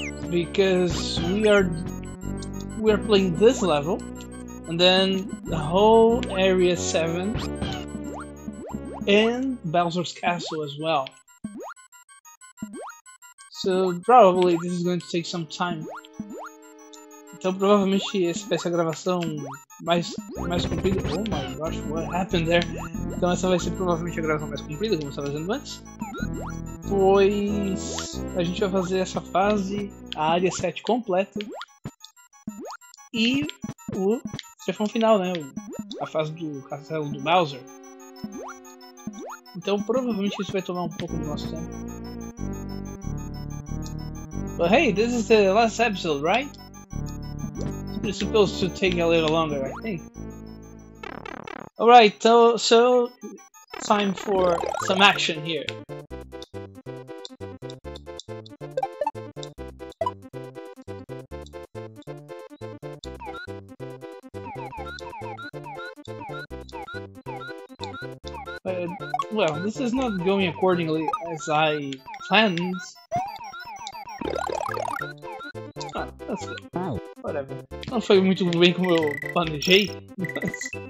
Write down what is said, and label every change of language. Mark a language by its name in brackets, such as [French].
[English] Because we are playing this level, and then the whole Area 7, and Bowser's Castle as well. So probably this is going to take some time. [Portuguese] Então provavelmente essa vai ser a gravação mais comprida. [English] Oh my gosh, what happened there? [Portuguese] Então essa vai ser provavelmente a gravação mais comprida, como eu estava dizendo antes. Pois a gente vai fazer essa fase, a área 7 completa e o chefão final, né? A fase do castelo do Bowser. Então provavelmente isso vai tomar um pouco do nosso tempo. [English] But hey, this is the last episode, right? It's supposed to take a little longer, I think. Alright, so time for some action here. Well, this is not going accordingly as I planned. That's good. Whatever. [Portuguese] Não foi muito bem como eu planejei, mas...